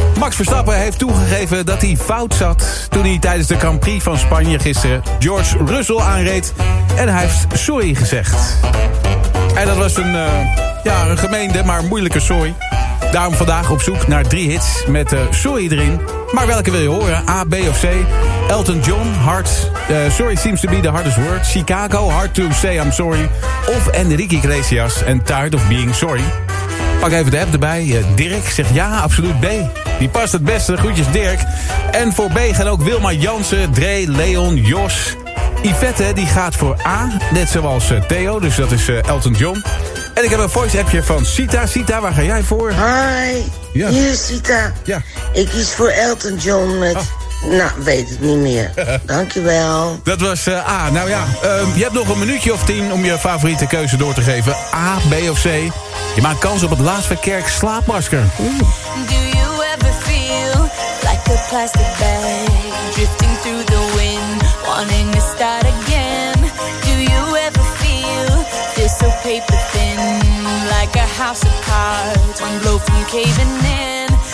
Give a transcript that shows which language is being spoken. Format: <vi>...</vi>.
<nl>Max Verstappen heeft toegegeven dat hij fout zat toen hij tijdens de Grand Prix van Spanje gisteren George Russell aanreed. En hij heeft sorry gezegd. En dat was een gemeende, maar moeilijke sorry. Daarom vandaag op zoek naar drie hits met sorry erin. Maar welke wil je horen? A, B of C? Elton John, Hard.</nl> <en>Sorry seems to be the hardest word. Chicago, Hard to say I'm sorry.</en> <nl>Of Enrique Iglesias en</nl> <en>Tired of being sorry.</en> <nl>Pak even de app erbij. Dirk zegt ja, absoluut B. Die past het beste. Groetjes Dirk. En voor B gaan ook Wilma Jansen, Dre, Leon, Jos. Yvette die gaat voor A, net zoals Theo, dus dat is Elton John. En ik heb een voice-appje van Sita. Sita, waar ga jij voor? Hi, ja. Hier is Sita. Ja. Ik kies voor Elton John met... Oh. Nou, weet het niet meer. Dankjewel. Dat was A. Nou ja, je hebt nog een minuutje of 10 om je favoriete keuze door te geven. A, B of C. Je maakt kans op het Laat Verkerk slaapmasker.</nl> <en>Do you ever feel like a plastic bag? Drifting through the wind, wanting to start again. Do you ever feel this so paper thin? Like a house of cards, one blow from caving in.</en>